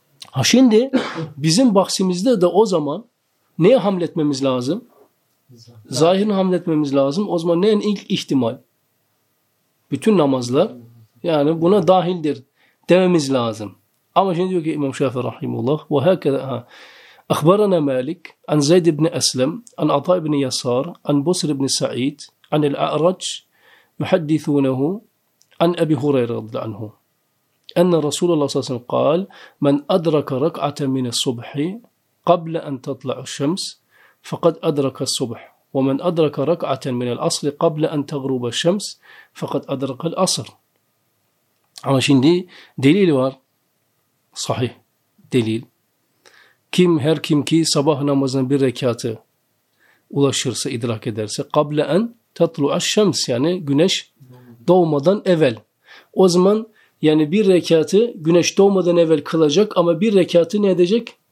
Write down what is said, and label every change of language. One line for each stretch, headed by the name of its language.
Turkish: Ha şimdi bizim bahsimizde de o zaman Neye hamletmemiz lazım? Zahirine hamletmemiz lazım. O zaman neyin ilk ihtimal? Bütün namazlar yani buna dahildir dememiz lazım. Ama şimdi diyor ki İmam Şafii rahimullah ve hekeze ha.
Arabic: أخبرنا مالك عن زيد بن أسلم عن عطاء بن يسار عن بصر بن سعيد عن الأعرج محدثونه عن أبي هريرة رضي الله عنه أن رسول الله صلى الله عليه وسلم قال من أدرك ركعة من الصبح قبل أن تطلع الشمس فقد أدرك الصبح ومن أدرك ركعة من العصر قبل أن تغرب الشمس فقد أدرك العصر.
Turkish: أما شندي دليل وار صحيح دليل. Kim, her kim ki sabah namazının bir rekatı ulaşırsa, idrak ederse,
Arabic: قَبْلَ اَنْ تَطْلُعَ الشَّمْسِ
Turkish: yani güneş doğmadan evvel. O zaman yani bir rekatı güneş doğmadan evvel kılacak ama bir rekatı ne edecek?